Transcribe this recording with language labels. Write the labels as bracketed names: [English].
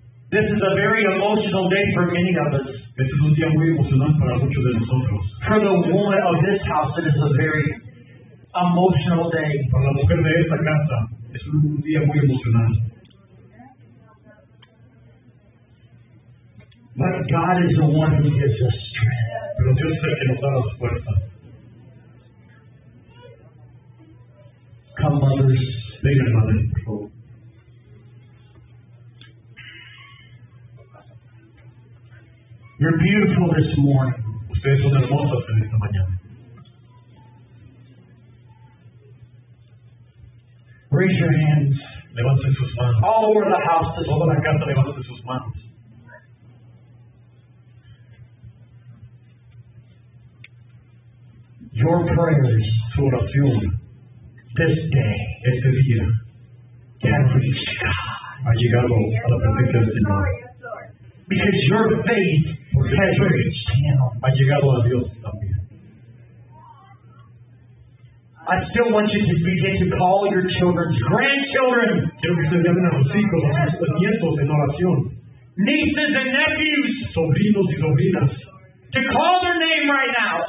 [English] This is a very emotional day for many of us. [Spanish] Este es un día muy emocionante para muchos de nosotros. [English] For the woman of this house, it is a very emotional day. [Spanish] Para la mujer de esta casa, es un día muy emocional. [English] But God is the one who gives us strength. [Spanish] Pero Dios es el que nos da la fuerza. [English] Come, mothers. [Spanish] Vengan, madre, por favor. [English] You're beautiful this morning. [Spanish] Ustedes son hermosos en esta mañana. [English] Raise your hands. [Spanish] Levanten sus manos. [English] All over the house. [Spanish] Toda la casa levanten sus manos. [English] Your prayers, [Spanish] tu oración, [English] this day, [Spanish] este día, [English] can reach God. [Spanish] Ha llegado a la presencia del Señor. [English] Because your faith has reached Him. [Spanish] Ha llegado a Dios también. [English] I still want you to begin to call your children's grandchildren. [Spanish] Quiero que se llamen a los hijos, a sus nietos en oración. [English] Nieces and nephews. [Spanish] Sobrinos y sobrinas. [English] To call their name right now.